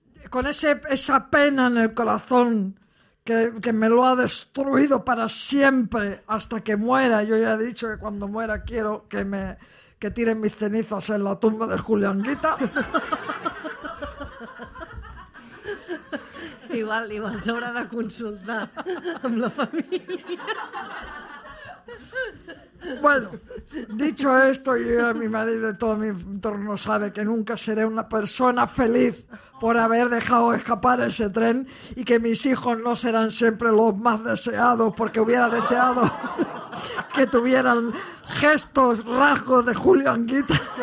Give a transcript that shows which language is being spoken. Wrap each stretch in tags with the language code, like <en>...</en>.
<es>con esa pena en el corazón que me lo ha destruido para siempre hasta que muera. Yo ya he dicho que cuando muera quiero que tiren mis cenizas en la tumba de Julio Anguita.</es> <ca>Igual s'haurà de consultar amb la família.</ca> <es>Bueno, dicho esto, yo y mi marido y todo mi entorno sabe que nunca seré una persona feliz por haber dejado escapar ese tren y que mis hijos no serán siempre los más deseados, porque hubiera deseado que tuvieran gestos, rasgos de Julio Anguita.</es>